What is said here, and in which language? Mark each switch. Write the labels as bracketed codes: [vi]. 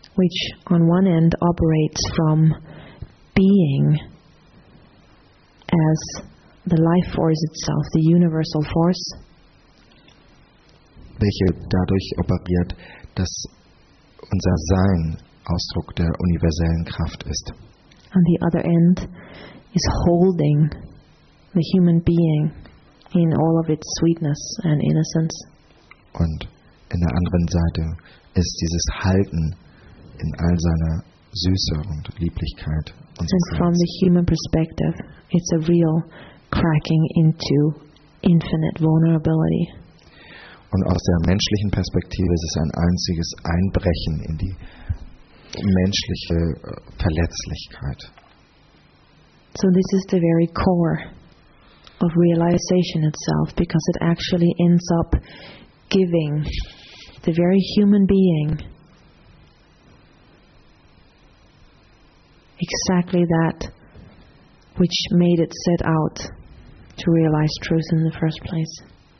[en] Which on one end operates from being as the life force itself, the universal force, [de] welche dadurch operiert, dass unser Sein Ausdruck der universellen Kraft ist. [en] On the other end is holding the human being in all of its sweetness and innocence. [de] Und in der anderen Seite ist dieses Halten in all seiner Süße und Lieblichkeit. [en] And from the human perspective, it's a real cracking into infinite vulnerability. [de] Und aus der menschlichen Perspektive ist es ein einziges Einbrechen in die menschliche Verletzlichkeit. [en] So this is the very core of realization itself, because it actually ends up giving the very human being exactly that which made it set out to realize truth in the first place.